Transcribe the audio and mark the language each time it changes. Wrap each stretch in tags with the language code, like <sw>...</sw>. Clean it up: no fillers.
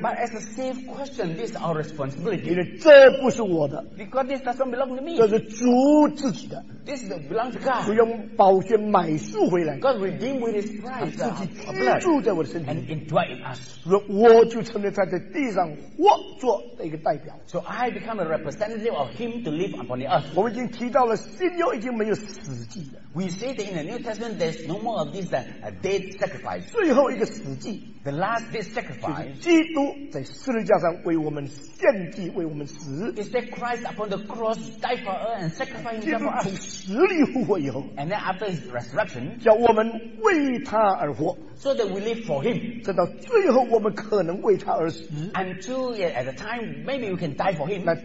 <en>But as a safe question, this is our responsibility.</en> <zh>因为这不是我的。</zh> <en>Because this doesn't belong to me.</en> <zh>这是主</zh> <en>This is belongs to God.</en> <zh>就用宝血买赎回来,</zh> <en>God redeemed with His price. And indwell in us.</en> <zh>我就成了在这地上活着的一个代表。</zh> <en>So I become a representative of Him to live upon the earth.</en> <zh>我们已经提到了新约已经没有死祭了。</zh> <en>We say that in the New Testament there's no more of this dead sacrifice.</en> <zh>最后一个死祭,</zh> <en>the last dead sacrifice.</en> <zh>基督在十字架上为我们献祭，为我们死。</zh> <en>Is that Christ upon the cross died for us and sacrificed?</en> <zh>基督从死里复活以后，</zh> <en>and then after his resurrection,</en> <zh>叫我们为他而活，</zh> <en>so that we live for him,</en> <zh>直到最后我们可能为他而死，</zh> <en>until at the time maybe we can die for him.</en>